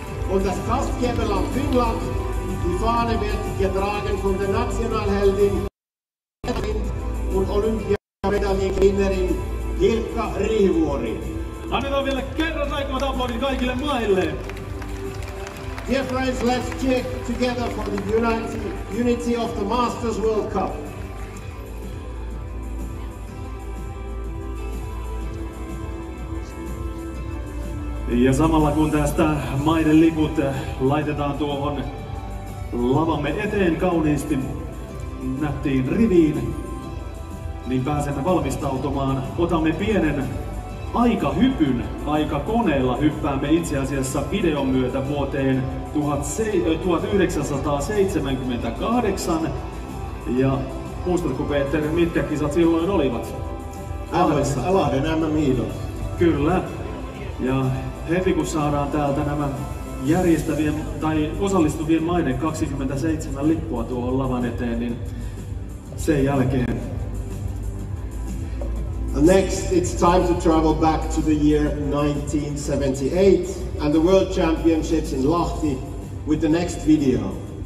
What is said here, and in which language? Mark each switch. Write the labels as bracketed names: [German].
[German] Und das Gastgeberland Finland, die Fahne wird getragen von der Nationalheldin und Olympia. Medaljikinnerin Hilkka Riivuori. [Finnish] Annetaan vielä kerran aikaa aplodit kaikille maille. [English] Dear friends, let's cheer together for the unity of the Masters World Cup. [Finnish] Ja samalla kun tästä maiden liput laitetaan tuohon lavamme eteen kauniisti nättiin riviin, niin pääsemme valmistautumaan. Otamme pienen aikahypyn, aikakoneella hyppäämme itse asiassa videon myötä vuoteen 1978. Ja muistatko Peter, mitkä kisat silloin olivat? Lahden MM-hiihdot. Kyllä. Ja heti kun saadaan täältä nämä järjestävien tai osallistuvien maiden 27 lippua tuohon lavan eteen, niin sen jälkeen. [English] Next, it's time to travel back to the year 1978 and the World Championships in Lahti with the next video.